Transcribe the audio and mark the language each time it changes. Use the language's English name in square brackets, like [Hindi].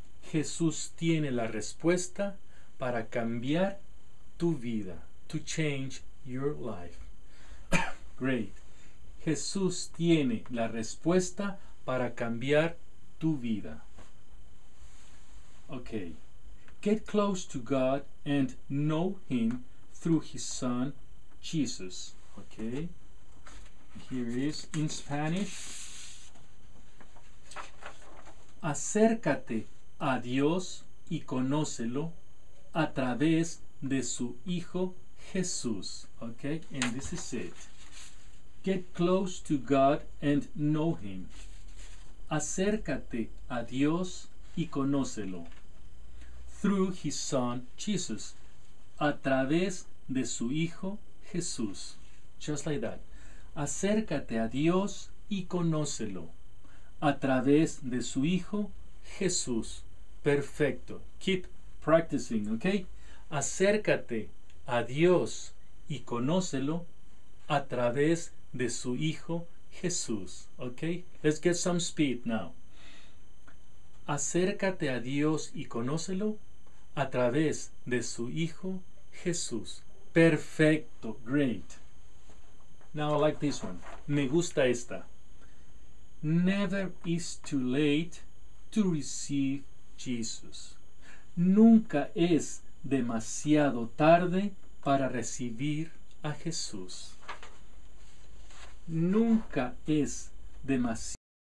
[Spanish] Jesús tiene la respuesta para cambiar tu vida. [English] To change your life. Great. [Spanish] Jesús tiene la respuesta para cambiar tu vida. [English] Okay. Get close to God and know Him through His Son, Jesus. Okay. Here is in Spanish. [Spanish] Acércate a Dios y conócelo a través de su Hijo Jesús. [English] Okay. And this is it. Get close to God and know Him. [Spanish] Acércate a Dios y conócelo. [English] Through His Son, Jesus. [Spanish] A través de su Hijo, Jesús. [English] Just like that. [Spanish] Acércate a Dios y conócelo. A través de su Hijo, Jesús. Perfecto. [English] Keep practicing, okay? [Spanish] Acércate a Dios y conócelo a través de su Hijo, Jesús. Okay? [English] Let's get some speed now. [Spanish] Acércate a Dios y conócelo a través de su Hijo Jesús. [English] Perfecto. Great. Now I like this one. [Spanish] Me gusta esta. [English] Never is too late to receive Jesus. [Spanish] Nunca es demasiado tarde para recibir a Jesús. Nunca es demasiado